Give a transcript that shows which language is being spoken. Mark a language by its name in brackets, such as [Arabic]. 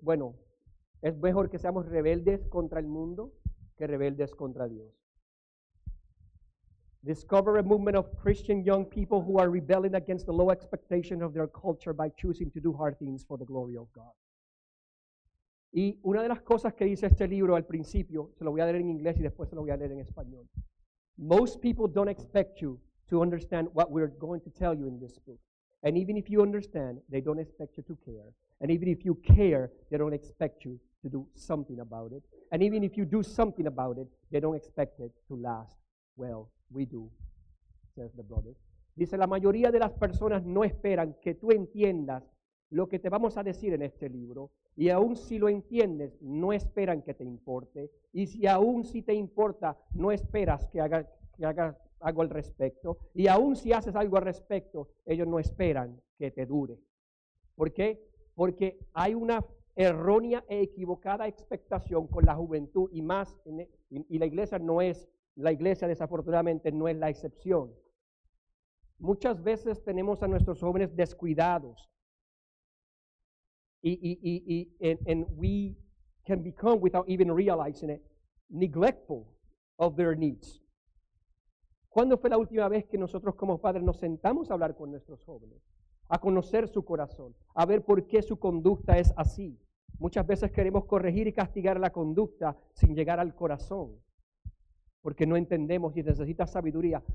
[Spanish] Bueno, es mejor que seamos rebeldes contra el mundo que rebeldes contra Dios. [English] Discover a movement of Christian young people who are rebelling against the low expectation of their culture by choosing to do hard things for the glory of God. [Spanish] Y una de las cosas que dice este libro al principio, se lo voy a leer en inglés y después se lo voy a leer en español. [English] Most people don't expect you to understand what we're going to tell you in this book. And even if you understand, they don't expect you to care. And even if you care, they don't expect you to do something about it. And even if you do something about it, they don't expect it to last. Well, we do, says the brother. [Spanish] Dice, la mayoría de las personas no esperan que tú entiendas lo que te vamos a decir en este libro. Y aún si lo entiendes, no esperan que te importe. Y si aún si te importa, no esperas que haga algo al respecto. Y aún si haces algo al respecto, ellos no esperan que te dure. ¿Por qué? Porque hay una errónea e equivocada expectación con la juventud y más, y la iglesia no es, la iglesia desafortunadamente no es la excepción. Muchas veces tenemos a nuestros jóvenes descuidados. [English] And we can become, without even realizing it, neglectful of their needs. [Spanish] ¿Cuándo fue la última vez que nosotros como padres nos sentamos a hablar con nuestros jóvenes? A conocer su corazón, a ver por qué su conducta es así. Muchas veces queremos corregir y castigar la conducta sin llegar al corazón, porque no entendemos y necesita sabiduría.